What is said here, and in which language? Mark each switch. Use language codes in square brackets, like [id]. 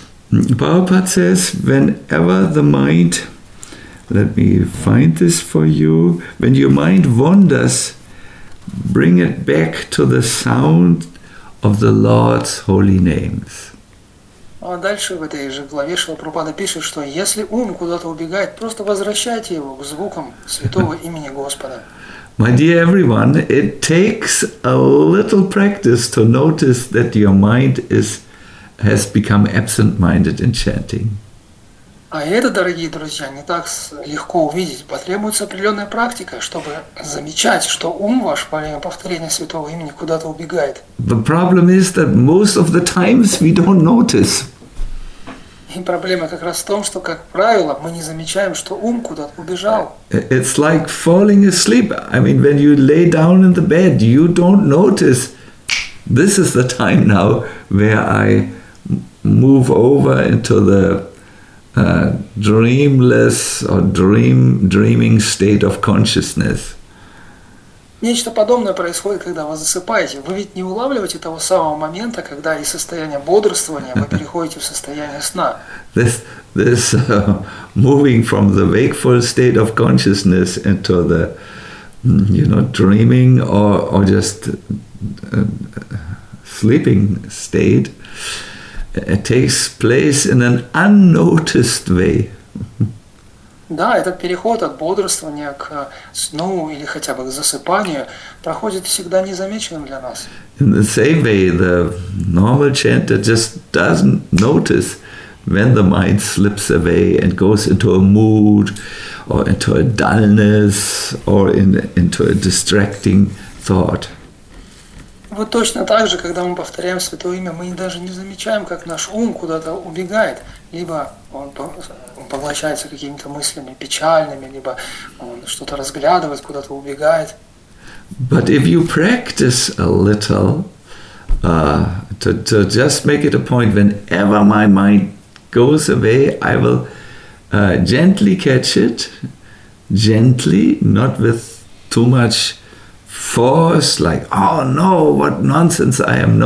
[en] Prabhupada says, whenever the mind, let me find this for you, when your mind wanders, bring it back to the sound of the Lord's holy names. [ru] А дальше в этой же главе Шрила Прабхупада пишет, что если ум куда-то убегает, просто возвращайте его к звукам святого имени Господа. [en] My dear everyone, it takes a little practice to notice that your mind has become absent-minded in chanting. [ru] А это, дорогие друзья, не так легко увидеть. Потребуется определенная практика, чтобы замечать, что ум ваш во время повторения святого имени куда-то убегает. [en] The problem is that most of the times we don't notice. [ru] И проблема как раз в том, что, как правило, мы не замечаем, что ум куда-то убежал. [en] It's like falling asleep. I mean, when you lay down in the bed, you don't notice. This is the time now where I move over into the dreamless or dreaming state of consciousness. [ru] Нечто подобное происходит, когда вы засыпаете. Вы ведь не улавливаете того самого момента, когда из состояния бодрствования вы переходите в состояние сна. [en] This moving from the wakeful state of consciousness into the, you know, dreaming or just sleeping state, it takes place in an unnoticed way. [ru] Да, этот переход от бодрствования к сну или хотя бы к засыпанию проходит всегда незамеченным для нас. [en] In the same way, the normal chanter just doesn't notice when the mind slips away and goes into a mood or into a dullness or into a distracting thought. [ru] Вот точно так же, когда мы повторяем Святое Имя, мы даже не замечаем, как наш ум куда-то убегает, либо он поглощается какими-то мыслями печальными, либо он что-то разглядывает, куда-то убегает. [en] But if you practice a little, to just make it a point, whenever my mind goes away, I will gently catch it, gently, not with too much force, like, oh no, what nonsense I am.